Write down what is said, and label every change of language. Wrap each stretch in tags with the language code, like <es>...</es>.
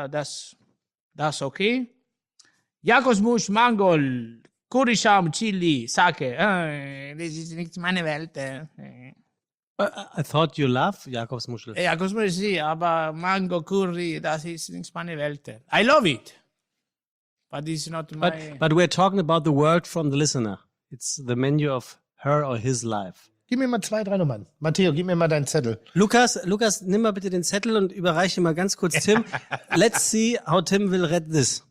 <de>Das okay. Jakobsmus, Mangold, Curryscham, Chili, Sake. Das ist nicht meine Welt.</de> <en>I thought you love Jakobsmuschel.</en> <de>Jakobsmuschel, sí, aber Mango, Curry, das ist nicht meine Welt.</de> <en>I love it. But it's not my... But we're talking about the word from the listener. It's the menu of her or his life.</en> <de>Gib mir mal zwei, drei Nummern. Matteo, gib mir mal deinen Zettel. Lukas, nimm mal bitte den Zettel und überreiche mal ganz kurz Tim.</de> <en>Let's see how Tim will read this.</en>